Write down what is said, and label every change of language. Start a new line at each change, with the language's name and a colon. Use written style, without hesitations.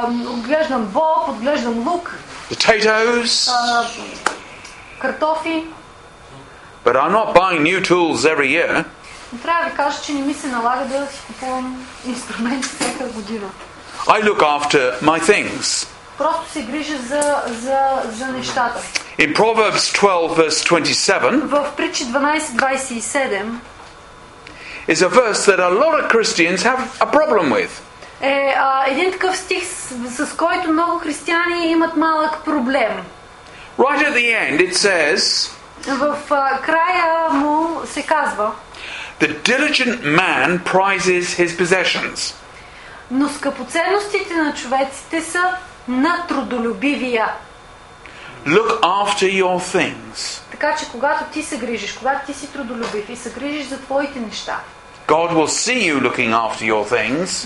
Bulgarian: Отглеждам боб, отглеждам лук.
English: Potatoes.
Bulgarian: Картофи.
English: But I'm not buying new tools every year.
Bulgarian: Но трябва да ви кажа, че не ми се налага да си купувам инструменти всяка година.
English: I look after my things.
Bulgarian: Просто се грижа за нещата.
English: In Proverbs 12, verse 27,
Bulgarian: в Притчи 12:27
English: is a verse that a lot of Christians have a problem with.
Bulgarian: Е един такъв стих, с който много християни имат малък проблем.
English: Right at the end it says,
Bulgarian: в края му се казва,
English: the diligent man prizes his possessions.
Bulgarian: Но скъпоценностите на човеците са на трудолюбивия.
English: Look after your things.
Bulgarian: Така че когато ти се грижиш, когато ти си трудолюбив и се грижиш за твоите неща,
English: God will see you looking after your things.